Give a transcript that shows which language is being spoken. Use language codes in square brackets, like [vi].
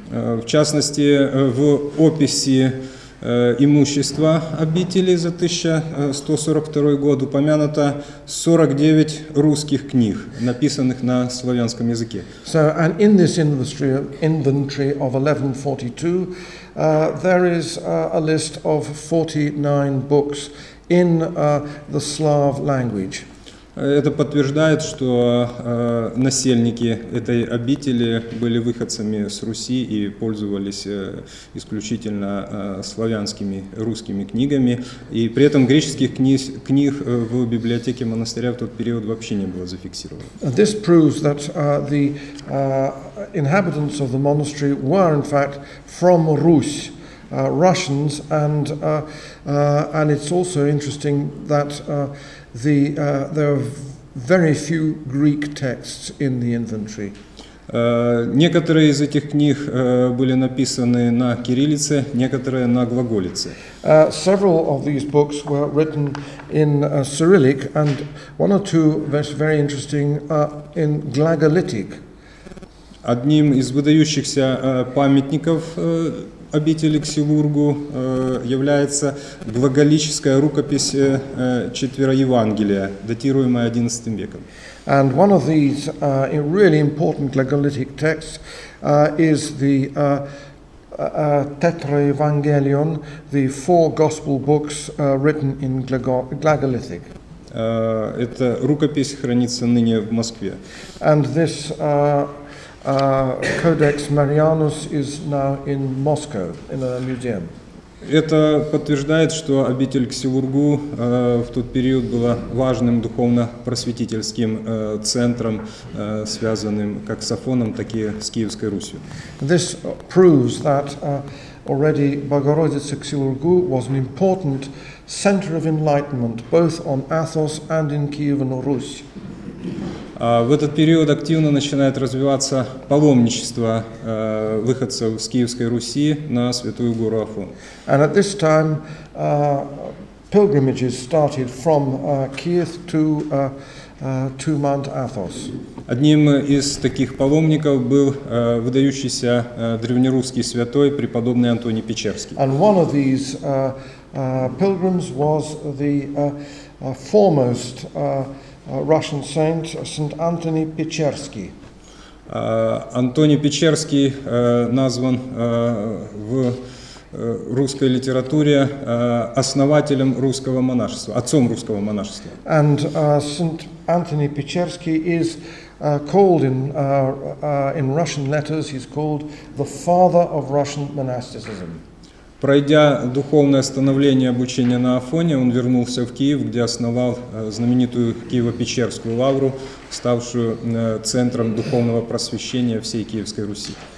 [ru] В частности, в описи имущества обители за 1142 год упомянуто 49 русских книг, написанных на славянском языке. [en] So, and in this inventory of 1142, there is a list of 49 books in the Slav language. [ru] Это подтверждает, что насельники этой обители были выходцами с Руси и пользовались исключительно славянскими русскими книгами. И при этом греческих книг в библиотеке монастыря в тот период вообще не было зафиксировано. [en] This proves that the inhabitants of the monastery were in fact from Русь. Russians, and it's also interesting that there are very few Greek texts in the inventory. [ru] Некоторые из этих книг были написаны на кириллице, некоторые на глаголице. [en] Several of these books were written in Cyrillic, and one or two very interesting in Glagolitic. [ru] Одним из выдающихся памятников обители Ксилургу является глаголическая рукопись Четвероевангелия, датируемая XI веком. [en] And one of these really important glagolitic texts is the Tetraevangelion, the four gospel books written in glagolitic. [ru] Эта рукопись хранится ныне в Москве. [en] And this Codex Marianus is now in Moscow, in a museum. [ru] Это подтверждает, что обитель Ксилургу в тот период была важным духовно-просветительским центром, связанным как с Афоном, так и с Киевской Русью. [en] This proves that already Богородица Ксилургу was an important center of enlightenment both on Athos and in Kievan Rus'. [ru] В этот период активно начинает развиваться паломничество выходцев с Киевской Руси на Святую гору Афон. [en] And at this time pilgrimages started from Kiev to Mount Athos. [ru] Одним из таких паломников был выдающийся древнерусский святой преподобный Антоний Печерский. [en] And one of these pilgrims was the foremost Russian saint, Saint Anthony Pechersky. [ru] Антоний Печерский назван в русской литературе основателем русского монашества, отцом русского монашества. [en] And Saint Anthony Pechersky is called in Russian letters, he's called the father of Russian monasticism. [ru] Пройдя духовное становление обучения на Афоне, он вернулся в Киев, где основал знаменитую Киево-Печерскую лавру, ставшую центром духовного просвещения всей Киевской Руси.